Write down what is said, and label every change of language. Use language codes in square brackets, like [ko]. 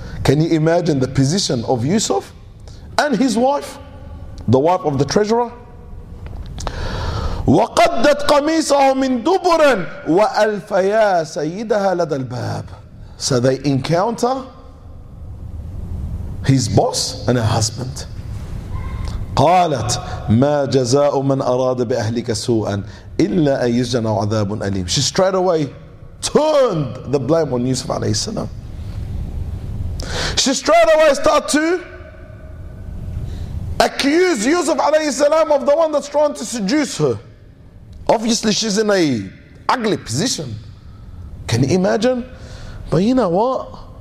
[en] Can you imagine the position of Yusuf and his wife, the wife of the treasurer? [ar] وَقَدَّتْ قَمِيصَهُ مِنْ دُبُرٍ وَأَلْفَيَا سَيِّدَهَا لَدَ الْبَابِ. [en] So they encounter his boss and her husband. [ar] قالت ما جزاء من أراد بأهلك سوءا إلا أن يسجن أو عذاب أليم. [en] She straight away turned the blame on Yusuf عليه السلام. She straight away started to accuse Yusuf عليه السلام of the one that's trying to seduce her. Obviously she's in a ugly position. Can you imagine? But you know what?